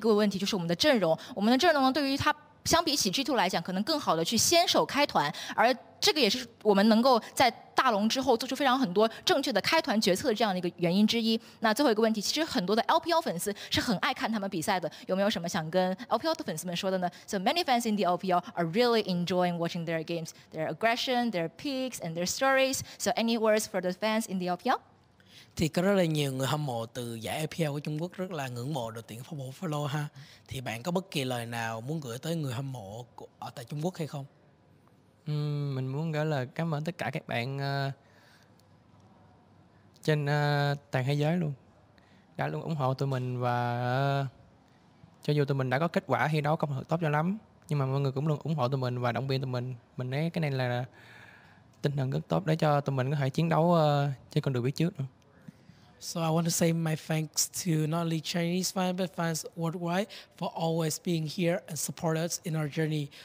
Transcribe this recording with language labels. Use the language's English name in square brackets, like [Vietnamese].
[Chinese] 所以我觉得我们能够拿下比赛胜利的最关键的一个问题就是我们的阵容。我们的阵容呢，对于它相比起 G2 来讲，可能更好的去先手开团，而这个也是我们能够在大龙之后做出非常很多正确的开团决策的这样的一个原因之一。那最后一个问题，其实很多的 LPL 粉丝是很爱看他们比赛的。有没有什么想跟 LPL 的粉丝们说的呢？ [English] So many fans in the LPL are really enjoying watching their games, their aggression, their peaks, and their stories. [Chinese] So any words for the fans in the LPL? [Vietnamese] Thì có rất là nhiều người hâm mộ từ giải EPL của Trung Quốc rất là ngưỡng mộ đội tuyển Football Follow ha. Thì bạn có bất kỳ lời nào muốn gửi tới người hâm mộ ở tại Trung Quốc hay không? Mình muốn gửi lời cảm ơn tất cả các bạn trên toàn thế giới luôn. Đã luôn ủng hộ tụi mình và cho dù tụi mình đã có kết quả thi đấu không được tốt cho lắm, nhưng mà mọi người cũng luôn ủng hộ tụi mình và động viên tụi mình. Mình thấy cái này là tinh thần rất tốt để cho tụi mình có thể chiến đấu trên con đường phía trước nữa. [English] So I want to say my thanks to not only Chinese fans, but fans worldwide for always being here and support us in our journey.